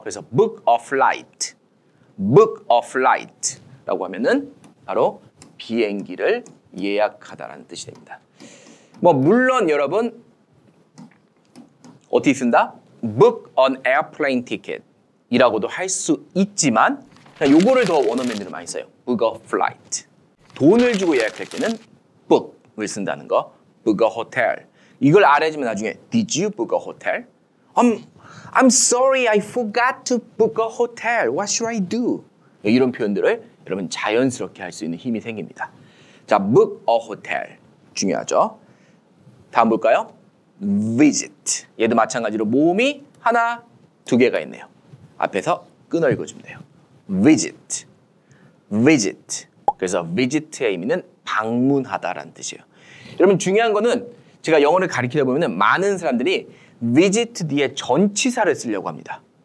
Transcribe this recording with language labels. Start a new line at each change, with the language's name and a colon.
Korean: 그래서
English: book a flight book a flight
Korean: 라고 하면은 바로 비행기를 예약하다라는 뜻이 됩니다. 뭐 물론 여러분 어떻게 쓴다?
English: book an airplane ticket
Korean: 이라고도 할 수 있지만 그냥 요거를 더 원어민들이 많이 써요.
English: book a flight
Korean: 돈을 주고 예약할 때는 book을 쓴다는 거
English: book a hotel
Korean: 이걸 알아주면 나중에
English: Did you book a hotel? I'm sorry, I forgot to book a hotel. What should I do?
Korean: 이런 표현들을 여러분 자연스럽게 할 수 있는 힘이 생깁니다. 자, book a hotel 중요하죠. 다음 볼까요? Visit 얘도 마찬가지로 모음이 하나, 두 개가 있네요. 앞에서 끊어 읽어주면 돼요. Visit Visit 그래서 visit의 의미는 방문하다라는 뜻이에요. 여러분 중요한 거는 제가 영어를 가르치다 보면 많은 사람들이 visit 뒤에 전치사를 쓰려고 합니다.